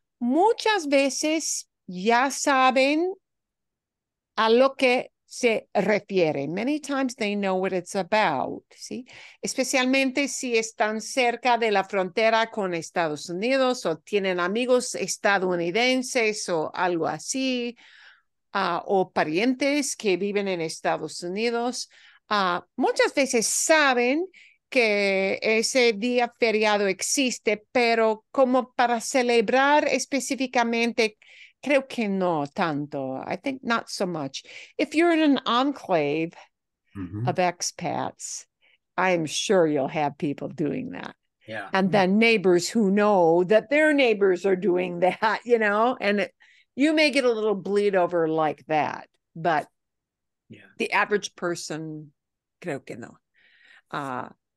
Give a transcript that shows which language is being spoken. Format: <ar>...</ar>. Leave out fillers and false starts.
<es>Muchas veces ya saben a lo que se refiere.</es> <en>Many times they know what it's about, ¿sí?</en> <es>Especialmente si están cerca de la frontera con Estados Unidos o tienen amigos estadounidenses o algo así, o parientes que viven en Estados Unidos. Muchas veces saben que ese día feriado existe, pero como para celebrar específicamente, creo que no tanto.</es> <en>I think not so much. If you're in an enclave of expats, I'm sure you'll have people doing that. Yeah. And then neighbors who know that their neighbors are doing that, you know, and it, you may get a little bleed over like that, but the average person,</en> <es>creo que no.</es>